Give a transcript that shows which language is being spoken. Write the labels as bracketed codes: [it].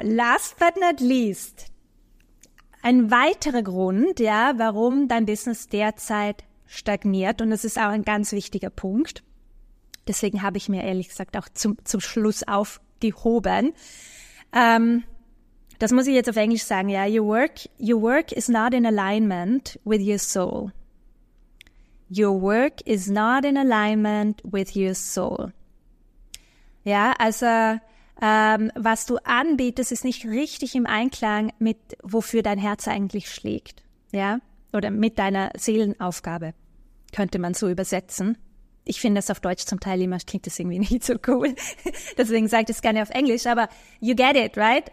[en] Last but not least. [de] Ein weiterer Grund, ja, warum dein Business derzeit stagniert, und das ist auch ein ganz wichtiger Punkt, deswegen habe ich mir ehrlich gesagt auch zum Schluss aufgehoben, das muss ich jetzt auf Englisch sagen, ja, [en] your work is not in alignment with your soul. Your work is not in alignment with your soul. [de] Ja, also was du anbietest, ist nicht richtig im Einklang mit, wofür dein Herz eigentlich schlägt, ja? Oder mit deiner Seelenaufgabe, könnte man so übersetzen. Ich finde das auf Deutsch zum Teil immer, klingt das irgendwie nicht so cool. Deswegen sage ich das gerne auf Englisch, aber [en] you get it, right?